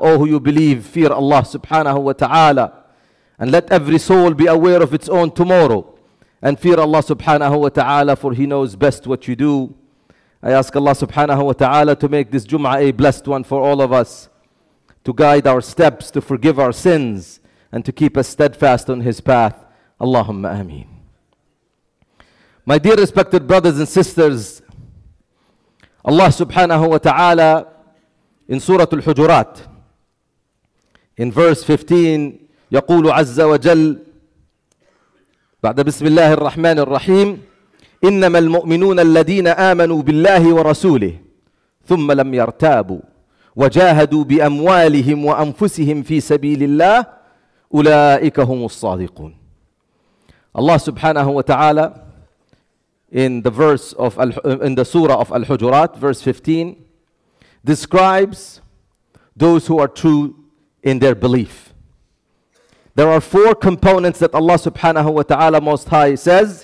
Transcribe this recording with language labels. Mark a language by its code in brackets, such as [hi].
[en] Oh, who you believe, fear Allah subhanahu wa ta'ala, and let every soul be aware of its own tomorrow, and fear Allah subhanahu wa ta'ala, for He knows best what you do. I ask Allah subhanahu wa ta'ala to make this Jum'ah a blessed one for all of us, to guide our steps, to forgive our sins, and to keep us steadfast on His path. Allahumma ameen. My dear respected brothers and sisters, Allah subhanahu wa ta'ala in Surah Al-Hujurat, in verse 15, [ar] يَقُولُ عَزَّ وَجَلُ بعد بسم الله الرحمن الرحيم إنما المؤمنون الذين آمنوا بالله ورسوله ثم لم يرتابوا وجاهدوا بأموالهم وأنفسهم في سبيل الله أولئك هم الصادقون. الله سبحانه وتعالى [en] in the verse of in the surah of Al-Hujurat verse 15 describes those who are true in their belief. There are four components that Allah subhanahu wa ta'ala most high says.